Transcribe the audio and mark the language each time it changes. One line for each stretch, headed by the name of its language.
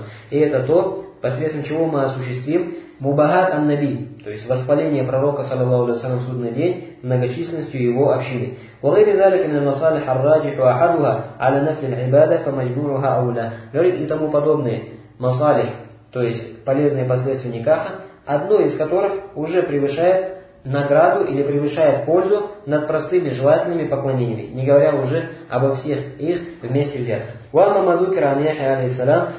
Russian: И это то, посредством чего мы осуществим мубагат ан-наби, то есть воспаление пророка, саллаллаху алейхи ва саллям, в судный день многочисленностью его общины.
Arabic: وغير ذلك من المصالح الراجح احدها على نفل العباده فمجموعها اولى.
Russian: Говорит, и тому подобные масалих, то есть полезные последствия никаха, одно из которых уже превышает награду или превышает пользу над простыми желательными поклонениями, не говоря уже обо всех их вместе взятых.
Arabic: وَأَمَّا مَا ذُكِرَ عَنْ يَحْيَى عَلَيْهِ السَّلَامِ.